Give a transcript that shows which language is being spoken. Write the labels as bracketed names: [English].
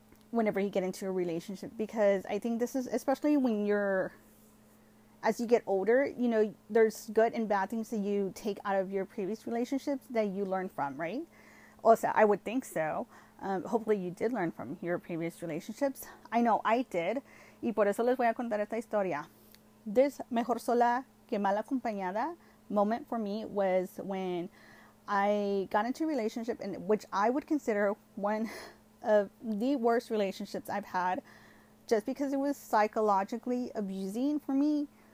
[English] Whenever you get into a relationship, because I think this is, especially when you're, as you get older, you know, there's good and bad things that you take out of your previous relationships that you learn from, right? Also, I would think so. Hopefully you did learn from your previous relationships. I know I did. [Spanish] Y por eso les voy a contar esta historia. [English] This [Spanish] mejor sola que mal acompañada [English] moment for me was when I got into a relationship in which I would consider one of the worst relationships I've had, just because it was psychologically abusing for me.